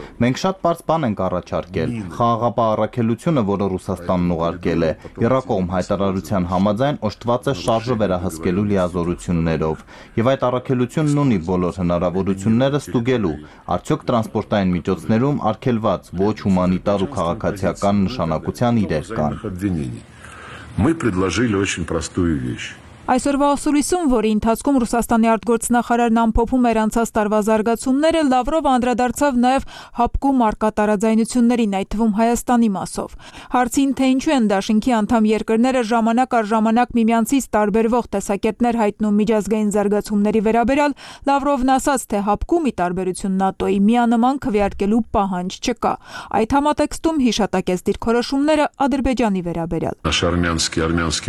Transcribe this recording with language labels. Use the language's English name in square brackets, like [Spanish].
[Armenian] Մենք շատ պարզ բան ենք առաջարկել՝ խաղաղապահ առաքելությունը, որը Ռուսաստանն ուղարկել է։ Եռակողմ հայտարարության համաձայն օժտված է շարժը վերահսկելու լիազորություններով, և այդ առաքելությունն ունի բոլոր հնարավորությունները ստուգելու, արդյոք տրանսպորտային միջոցներում արգելված ոչ հումանիտար ու քաղաքացիական նշանակության իրեր կան։ [Russian] Мы предложили очень простую вещь. [Armenian] Այսօրվա ուսուցումը, որի ընթացքում Ռուսաստանի արտգործնախարարն ամփոփում էր անցած տարվա զարգացումները, Լավրովը անդրադարձավ նաև հապկում արկատարաձայնություններին, այդ թվում Հայաստանի մասով։ Հարցին, թե ինչու են Դաշնքի անդամ երկրները ժամանակ առ ժամանակ միմյանցից տարբերվող տեսակետներ հայտնում միջազգային զարգացումների վերաբերյալ, Լավրովն ասաց, թե հապկում ի տարբերություն ՆԱՏՕ-ի միանման քվեարկելու պահանջ չկա։ Այդ համատեքստում հիշատակեց դիրքորոշումները Ադրբեջանի վերաբերյալ։